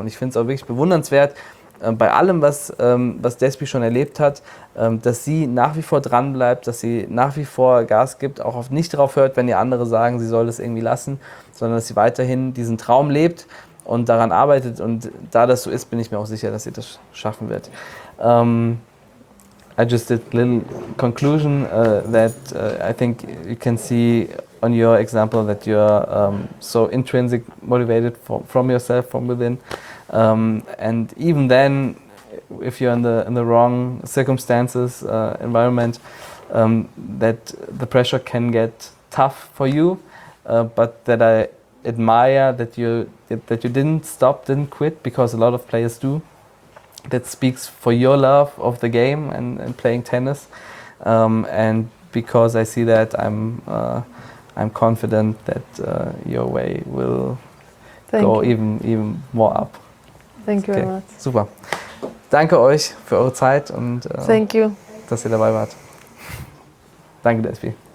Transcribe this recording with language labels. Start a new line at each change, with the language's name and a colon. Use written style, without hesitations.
German: Und ich finde es auch wirklich bewundernswert, bei allem, was Despi schon erlebt hat, dass sie nach wie vor dranbleibt, dass sie nach wie vor Gas gibt, auch oft nicht darauf hört, wenn ihr andere sagen, sie soll das irgendwie lassen, sondern dass sie weiterhin diesen Traum lebt und daran arbeitet. Und da das so ist, bin ich mir auch sicher, dass sie das schaffen wird.
English: I just did a little conclusion that I think you can see on your example that you're so intrinsic motivated from yourself, from within. And even then, if you're in the wrong circumstances, environment, that the pressure can get tough for you, but that I admire that you didn't stop, didn't quit, because a lot of players do. That speaks for your love of the game and playing tennis, and because I see that, I'm confident that your way will go even more up. Thank you very much.
German: Super. Danke euch für eure Zeit und
English: thank you,
German: dass ihr dabei wart. Danke, Despi.